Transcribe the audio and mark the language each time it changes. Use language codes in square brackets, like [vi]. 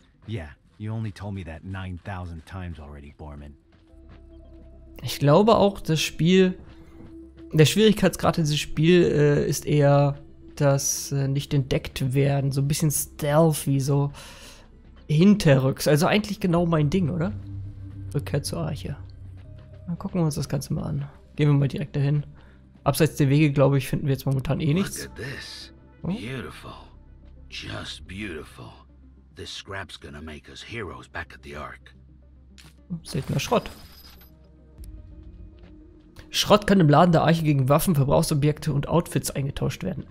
[en] Yeah, you only told me that 9000 times already, Borman. [de] Ich glaube auch, das Spiel... Der Schwierigkeitsgrad in diesem Spiel ist eher das Nicht-Entdeckt-Werden. So ein bisschen stealthy, so hinterrücks. Also eigentlich genau mein Ding, oder? Rückkehr zur Arche. Dann gucken wir uns das Ganze mal an. Gehen wir mal direkt dahin. Abseits der Wege, glaube ich, finden wir jetzt momentan eh nichts. [en] Look at this. Beautiful. Just beautiful. This scrap's gonna make us heroes back at the Ark. [de] Seltener Schrott. Schrott kann im Laden der Arche gegen Waffen, Verbrauchsobjekte und Outfits eingetauscht werden.